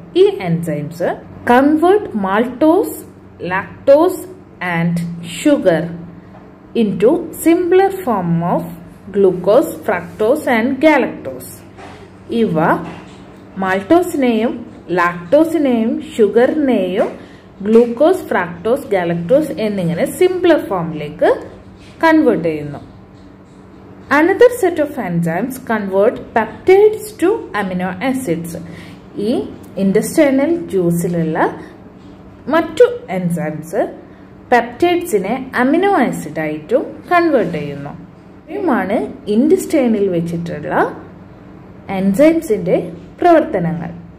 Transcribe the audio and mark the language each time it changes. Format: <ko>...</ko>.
<en>ഈ enzymes convert maltose, lactose and sugar into simpler form of glucose, fructose and galactose.</en> <ml>ഇവ മാൾട്ടോസിനെയും ലാക്ടോസിനെയും ഷുഗറിനെയും glucose, fructose, galactose എന്നിങ്ങനെ simpler ഫോമിലേക്ക് convert ചെയ്യുന്നു.</ml> <en>another set of enzymes convert peptides to amino acids.</en> <ml>ഈ industrial ജ്യൂസിലുള്ള മറ്റു enzymes പെപ്റ്റൈഡ്സിനെ amino ആസിഡായിട്ടും convert ചെയ്യുന്നു. ഇതുമാണ് ഇൻഡസ്ട്രിയനിൽ വെച്ചിട്ടുള്ള എൻസൈംസിൻ്റെ പ്രവർത്തനങ്ങൾ.</ml>